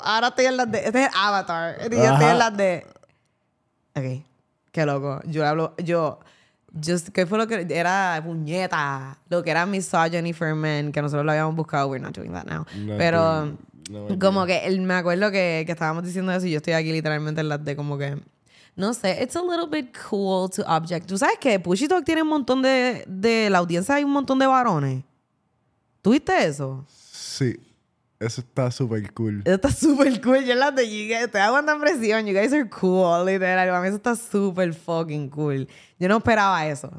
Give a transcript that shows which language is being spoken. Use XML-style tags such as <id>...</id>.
<es>Ahora estoy en las de... Este es el avatar. Ya estoy en las de... Ok. Qué loco. Yo hablo... Yo... Just, ¿qué fue lo que era? Puñeta. Lo que era misogyny for men. Que nosotros lo habíamos buscado.</es> <en>We're not doing that now.</en> <es>No, pero... No, como que él, me acuerdo que estábamos diciendo eso y yo estoy aquí literalmente en las de como que... No sé,</es> <en>it's a little bit cool to object.</en> <es>¿Tú sabes que Pushy Talk tiene un montón de... La audiencia hay un montón de varones. ¿Tú viste eso? Sí. Eso está súper cool. Eso está súper cool. Yo en las de... Te aguanta presión.</es> <en>You guys are cool,</en> <es>literal. Para mí eso está súper fucking cool. Yo no esperaba eso.</es>